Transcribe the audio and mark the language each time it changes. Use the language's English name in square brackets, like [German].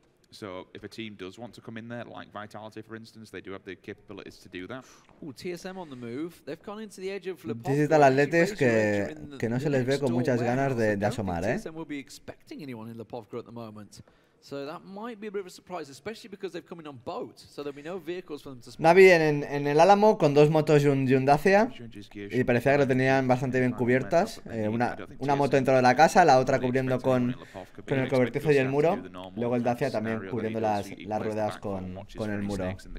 [English] So if a team does want to come in there, like Vitality, for instance, they do have the capabilities to do that. Ooh, TSM on the move. They've gone into the edge of Le Pop. [Spanish] Digital Athletics que no se les ve con muchas ganas de asomar, ¿eh? [English] TSM will be expecting anyone in Le Pop at the moment. So that might be a bit of a surprise, especially because they've come in on boat. So there'll be no vehicles for them to spot. [Spanish] Navi en el Álamo con dos motos y un Dacia. Y parecía que lo tenían bastante bien cubiertas. Una moto dentro de la casa, la otra cubriendo con el cobertizo y el muro. Luego el Dacia también cubriendo las ruedas con el muro.